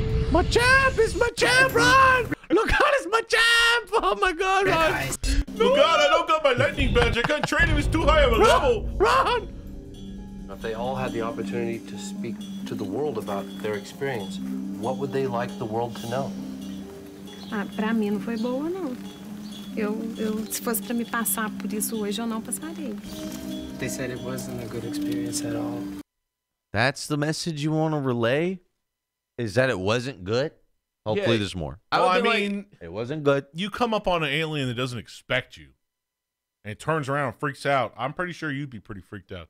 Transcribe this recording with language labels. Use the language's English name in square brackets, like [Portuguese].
[English] Machamp is Machamp, Ron! Look out, it's Machamp! Oh my God, Ron! Oh God, I don't got my lightning badge. I can't train him. He's too high of a Ron, level. Ron! If they all had the opportunity to speak to the world about their experience, what would they like the world to know? [Portuguese] Ah, pra mim não foi boa, não. Eu se fosse pra me passar por isso hoje, eu não passaria. [English] They said it wasn't a good experience at all. That's the message you want to relay? Is that it wasn't good? Hopefully there's more. I mean, it wasn't good. You come up on an alien that doesn't expect you. And it turns around and freaks out. I'm pretty sure you'd be pretty freaked out.